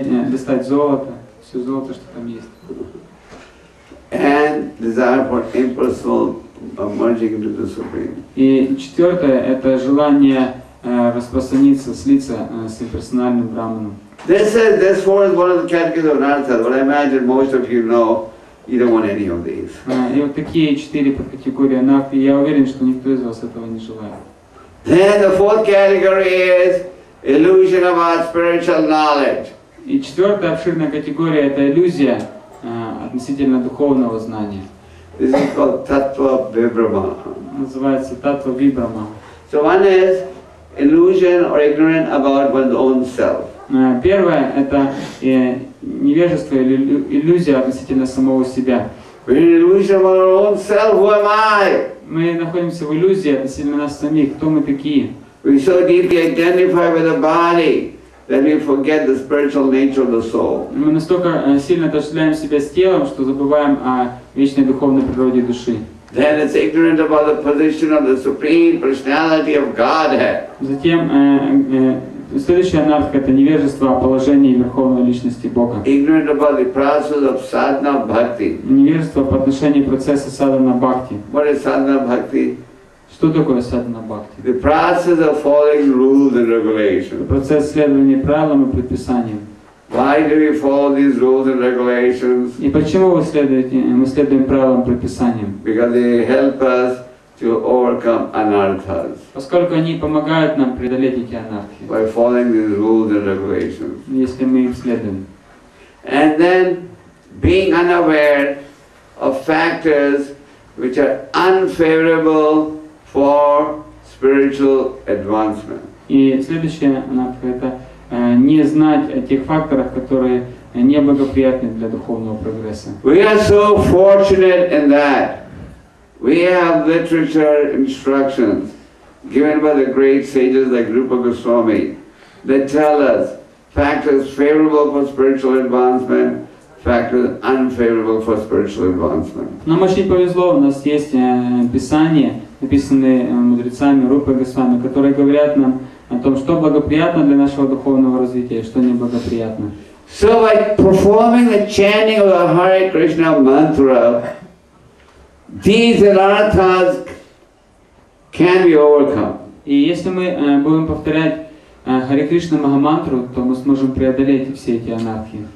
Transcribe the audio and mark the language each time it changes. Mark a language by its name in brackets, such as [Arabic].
[Russian] Достать золото, все золото, что там есть. [English] And desire for impersonal merging into the supreme. [Russian] И четвертое – это желание распространиться, слиться с имперсональным Браманом. [English] This is one of the categories of Nartha, but I imagine most of you know you don't want any of these. [Russian] И вот такие четыре подкатегории Нартхи, я уверен, что никто из вас этого не желает. [English] Then the fourth category is illusion about spiritual knowledge. [Russian] И четвертая обширная категория – это иллюзия относительно духовного знания. [English] This is called Tattva Vibhrama. [Russian] Называется Tattva Vibhrama. [English] So one is illusion or ignorant about one's own self. [Russian] Первое – это невежество или иллюзия относительно самого себя. [English] We're in illusion about our own self. Who am I? [Russian] Мы находимся в иллюзии относительно нас самих. Кто мы такие? [English] We so deeply identify with the body that we forget the spiritual nature of the soul. [Russian] Мы настолько сильно отождествляем себя с телом, что забываем о вечной духовной природе души. [English] Then it's ignorant about the position of the Supreme Personality of Godhead. [Russian] Затем следующая нартха – это невежество о положении Верховной Личности Бога. [English] Ignorant about the process of sadhana bhakti. [Russian] Невежество по отношению процесса sadhana bhakti. [English] What is sadhana bhakti? [Russian] Что такое sadhana bhakti? [English] The process of following rules and regulations. [Russian] Процесс следования правилам и предписаниям. [English] Why do we follow these rules and regulations? [Russian] И почему мы следуем правилам и предписаниям? [English] Because they help us to overcome anarthas. [Russian] Поскольку они помогают нам преодолеть эти анархии. [English] By following these rules and regulations. [Russian] Если мы их следуем. [English] And then being unaware of factors which are unfavorable for spiritual advancement. [Russian] И следующая анархия – это не знать о тех факторах, которые неблагоприятны для духовного прогресса. [English] We are so fortunate in that. We have literature instructions given by the great sages like Rupa Goswami that tell us factors favorable for spiritual advancement, factors unfavorable for spiritual advancement. [Russian] Нам очень повезло, у нас есть писания, написанные мудрецами Рупа Госвами, которые говорят нам о том, что благоприятно для нашего духовного развития, что неблагоприятно. [English] So by performing the chanting of the Hare Krishna mantra, these anarthas can be overcome. [Russian] И если мы будем повторять Hare Krishna Mahamantra, то мы сможем преодолеть все эти анархи.